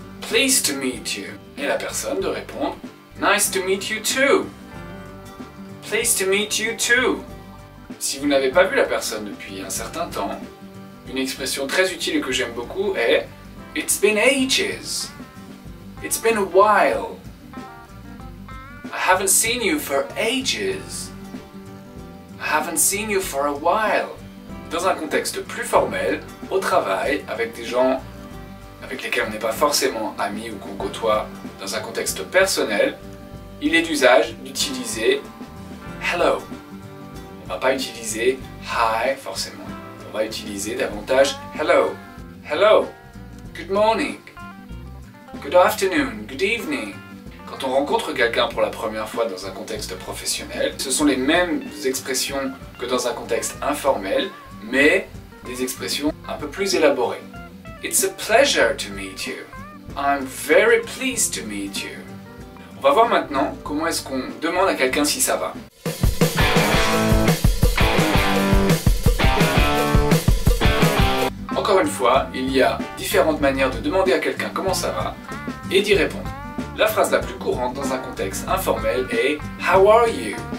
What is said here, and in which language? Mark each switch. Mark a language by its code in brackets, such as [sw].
[en] Pleased to meet you. » [fr] Et la personne de répondre [en] « Nice to meet you too. Pleased to meet you too. [fr] » Si vous n'avez pas vu la personne depuis un certain temps, une expression très utile que j'aime beaucoup est « [en] It's been ages. It's been a while. I haven't seen you for ages. I haven't seen you for a while. [fr] » Dans un contexte plus formel, au travail, avec des gens avec lesquels on n'est pas forcément ami ou qu'on côtoie dans un contexte personnel, il est d'usage d'utiliser « hello ». On ne va pas utiliser « hi » forcément. On va utiliser davantage « hello ».« Hello ». »« [en] Good morning ». »« Good afternoon ». »« Good evening ». [fr] Quand on rencontre quelqu'un pour la première fois dans un contexte professionnel, ce sont les mêmes expressions que dans un contexte informel, mais des expressions un peu plus élaborées. [en] It's a pleasure to meet you. I'm very pleased to meet you. [fr] On va voir maintenant comment est-ce qu'on demande à quelqu'un si ça va. Encore une fois, il y a différentes manières de demander à quelqu'un comment ça va et d'y répondre. La phrase la plus courante dans un contexte informel est [en] How are you?